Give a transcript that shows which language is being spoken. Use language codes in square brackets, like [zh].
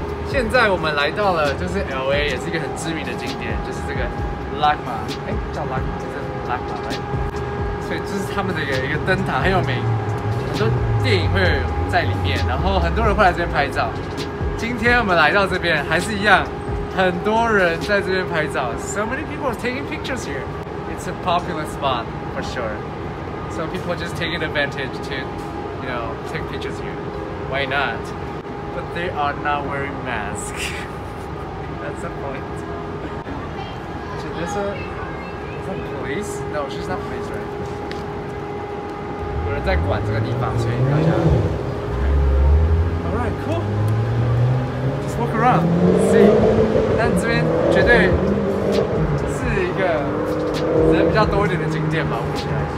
[zh] 现在我们来到了，就是 L A， 也是一个很知名的景点，就是这个 LAGMA， 叫 LAGMA， 就是 LAGMA， 所以这是他们的一个灯塔，很有名。很多电影会在里面，然后很多人会来这边拍照。今天我们来到这边还是一样，很多人在这边拍照。 [en] So many people are taking pictures here. It's a popular spot for sure. So people are just taking advantage to, you know, take pictures here. Why not? But they are not wearing masks. That's the point. So this is a police? No, she's not police, right? [zh] 有人在管这个地方，所以大家。 [en] Okay. All right, cool. Just walk around, see. [zh] 但这边绝对是一个人比较多一点的景点吧，我觉得。